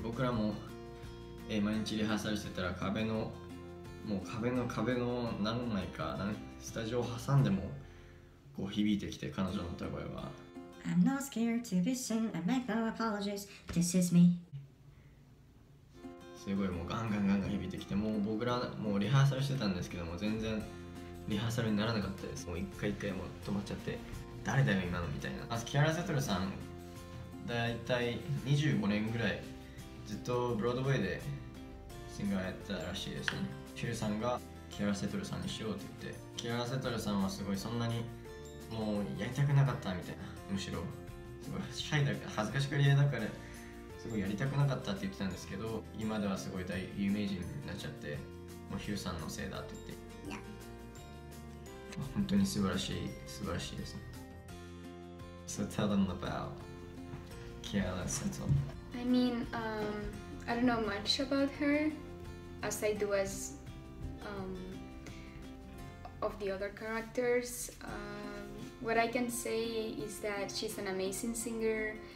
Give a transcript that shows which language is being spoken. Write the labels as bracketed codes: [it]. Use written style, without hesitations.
[ja] 僕らも、毎日リハーサルしてたら壁のもう壁の何枚か何スタジオを挟んでもこう響いてきて、彼女の歌声は [en] I'm not scared to be seen, I make no apologies, this is me、 [ja] すごいもうガンガン響いてきて、もう僕らもうリハーサルしてたんですけども全然リハーサルにならなかったです。もう一回もう止まっちゃって、誰だよ今のみたいな。まずキアラ・セトルさん、だいたい25年ぐらいずっとブロードウェイでシンガーやってたらしいですね。ヒューさんがキアラ・セトルさんにしようって言って、キアラ・セトルさんはすごいそんなにもうやりたくなかったみたいな、むしろすごいシャイだから、恥ずかしがり屋だからすごいやりたくなかったって言ってたんですけど、今ではすごい大有名人になっちゃって、もうヒューさんのせいだって言って、本当に素晴らしいですね。 [en] So tell them about I mean, I don't know much about her as I do as of the other characters. What I can say is that she's an amazing singer.